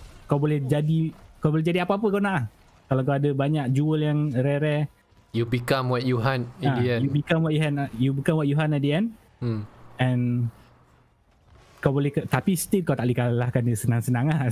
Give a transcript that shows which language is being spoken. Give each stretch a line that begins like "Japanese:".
Malay: Kau boleh jadi, kau boleh jadi apa-apa kau nak. Kalau kau ada banyak jewel yang rare-rare,
English: you become what you hunt in the end. You become what you hunt, you become what you hunt at the end.
Malay: And kau boleh ke, tapi still kau tak boleh kalahkan dia senang-senang lah.